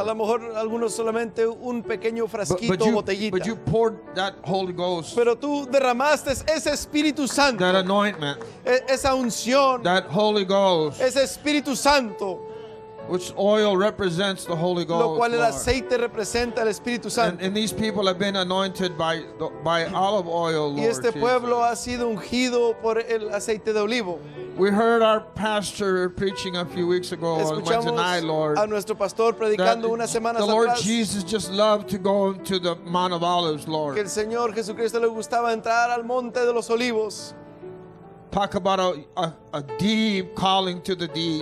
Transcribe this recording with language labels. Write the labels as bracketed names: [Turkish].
[Spanish] A lo mejor algunos solamente un pequeño frasquito, [English] but you, [Spanish] botellita. [English] But you poured that Holy Ghost. [Spanish] Pero tú derramaste ese Espíritu Santo. [English] That anointment. [Spanish] Esa unción. [English] That Holy Ghost. [Spanish] Ese Espíritu Santo. [English] Which oil represents the Holy Ghost? [Spanish] Lo cual el aceite representa el Espíritu Santo. [English] And these people have been anointed by olive oil, Lord. [Spanish] Y este pueblo ha sido ungido por el aceite de olivo. [English] We heard our pastor preaching a few weeks ago on Wednesday night, Lord. [Spanish] A nuestro pastor predicando unas semanas atrás. [English] The Lord Jesus just loved to go into the Mount of Olives, Lord. [Spanish] Que el Señor Jesucristo le gustaba entrar al Monte de los Olivos. [English] Talk about a deep calling to the deep.